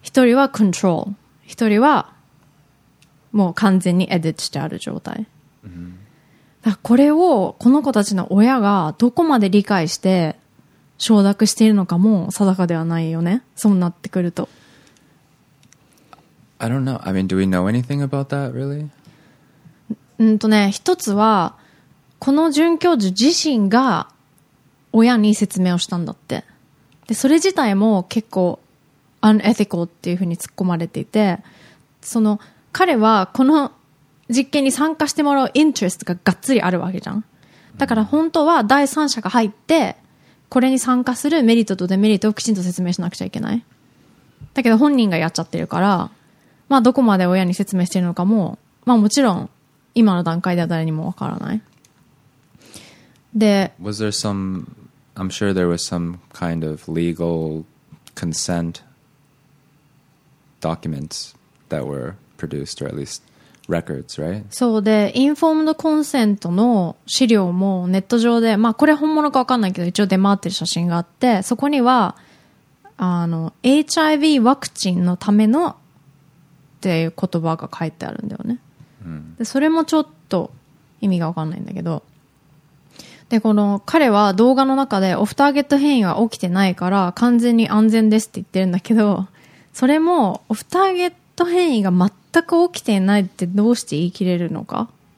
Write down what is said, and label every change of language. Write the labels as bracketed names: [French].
[Japanese] 1人はコントロール、1人はもう完全にエディットしてある状態、うん、だからこれをこの子たちの親がどこまで理解して承諾しているのかも定かではないよね、そうなってくると。 [English] I don't know. I mean, do we know anything about that, really? [Japanese] ね、一つはこの准教授自身が親に説明をしたんだって。で、それ自体も結構 unethical っていうふうに突っ込まれていて、その彼はこの実験に参加してもらうインテレストががっつりあるわけじゃん。だから本当は第三者が入ってこれに参加するメリットとデメリットをきちんと説明しなくちゃいけない。だけど本人がやっちゃってるから、まあどこまで親に説明してるのかも、まあもちろん今の段階では誰にもわからない。で、 [English] Was there some I'm sure there was some kind of legal consent documents that were produced or at leastRecords, right? [Japanese] そうで、インフォームドコンセントの資料もネット上で、まあこれ本物か分かんないけど一応出回ってる写真があって、そこにはあの HIV ワクチンのためのっていう言葉が書いてあるんだよね、うん、でそれもちょっと意味が分かんないんだけど、でこの彼は動画の中でオフターゲット変異は起きてないから完全に安全ですって言ってるんだけど、それもオフターゲット変異が全く起きてないってどうして言い切れるのか。